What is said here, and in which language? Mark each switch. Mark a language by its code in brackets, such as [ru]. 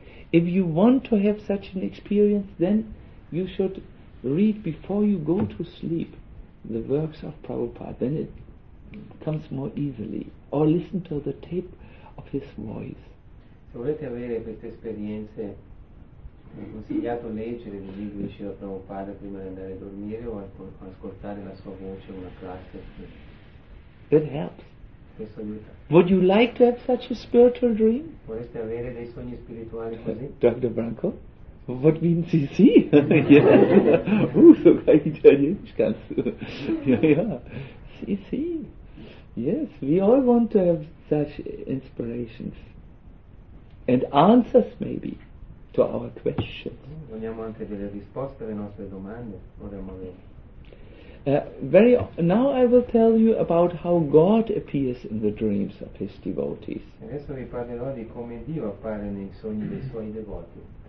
[en] If you want to have such an experience, then you should read before you go to sleep the works of Prabhupada. Then it comes more easily. Or listen to the tape of his voice. [it] Se volete avere queste esperienze, è consigliato leggere il libro di Srila Prabhupada prima di andare a dormire o ascoltare la sua voce in una classe. [en] That helps. [it] Questo aiuta. [en] Would you like to have such a spiritual dream? [it] Vorreste avere dei sogni spirituali così? [en] Dr. Branko? What means he see? Yeah. [de] So kann ich Italienisch ganz. Yeah. See. [en] Yes, we all want to have such inspirations. And answers maybe to our questions. [it] Vogliamo anche delle risposte alle nostre domande. Vorremmo avere. [en] Now I will tell you about how God appears in the dreams of his devotees. [it] Adesso vi parlerò di come Dio appare nei sogni dei suoi devoti.